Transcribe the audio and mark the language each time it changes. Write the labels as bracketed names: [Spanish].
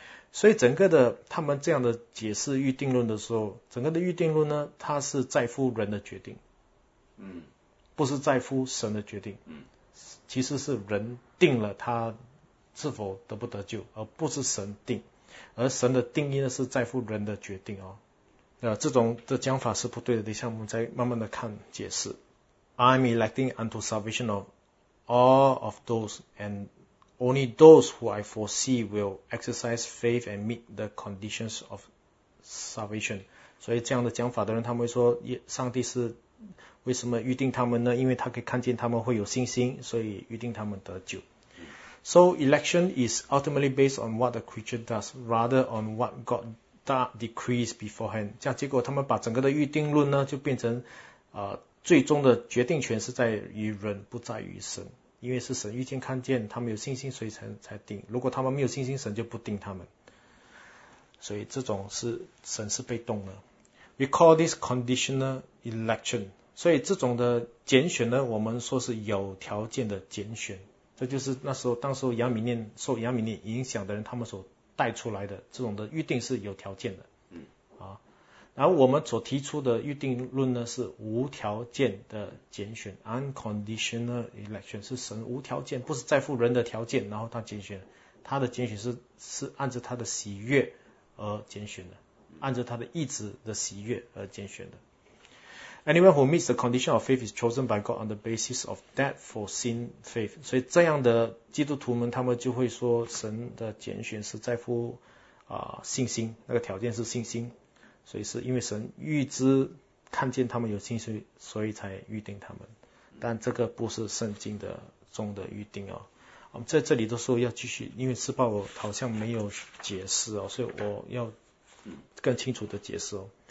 [Chinese] 所以整个的他们这样的解释预定论的时候，整个的预定论呢，它是在乎人的决定，不是在乎神的决定，其实是人定了他是否得不得救，而不是神定，而神的定义呢是在乎人的决定哦。这种的讲法是不对的，等一下我们再慢慢的看解释。 [English] I'm electing unto salvation of all of those, and only those who I foresee will exercise faith and meet the conditions of salvation. [Chinese] 所以这样的讲法的人，他们会说，上帝是为什么预定他们呢？因为他可以看见他们会有信心，所以预定他们得救。 [English] So election is ultimately based on what the creature does, rather on what God decrees beforehand. [Chinese] 这样结果，他们把整个的预定论呢，就变成最终的决定权是在于人，不在于神，因为是神预先看见他们有信心，所以才定。如果他们没有信心，神就不定他们。所以这种是神是被动的。 [English] We call this conditional election。 [Chinese] 所以这种的拣选呢，我们说是有条件的拣选。这就是那时候当时候亚米念影响的人，他们所带出来的这种的预定是有条件的。然后我们所提出的预定论呢，是无条件的拣选 ，unconditional election， 是神无条件，不是在乎人的条件，然后他拣选，他的拣选是按照他的喜悦而拣选的，按照他的意志的喜悦而拣选的。 [English] Anyone who meets the condition of faith is chosen by God on the basis of that foreseen faith。 [Chinese] 所以这样的基督徒们，他们就会说，神的拣选是在乎信心，那个条件是信心。所以是因为神预知看见他们有信心，所以才预定他们。但这个不是圣经的中的预定哦。我们在这里的时候要继续，因为四报我好像没有解释哦，所以我要更清楚的解释哦。